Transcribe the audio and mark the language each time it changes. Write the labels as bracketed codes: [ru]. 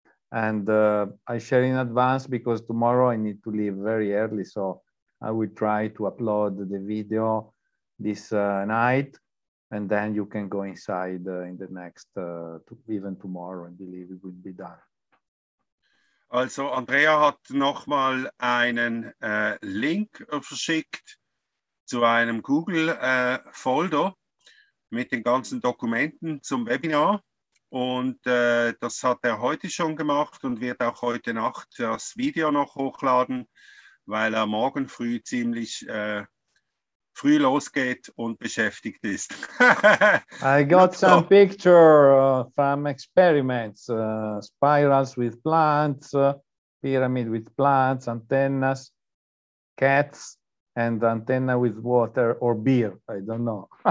[en] And I share in advance because tomorrow I need to leave very early. So I will try to upload the video this night, and then you can go inside in the next, even tomorrow, and believe it will be done. [de] Also Andrea hat nochmal einen Link verschickt zu einem Google Folder mit den ganzen Dokumenten zum Webinar. Und das hat er heute schon gemacht und wird auch heute Nacht das Video noch hochladen, weil er morgen früh ziemlich früh losgeht und beschäftigt ist. [en] I got some picture from experiments, spirals with plants, pyramid with plants, antennas, cats and antenna with water or beer, I don't know.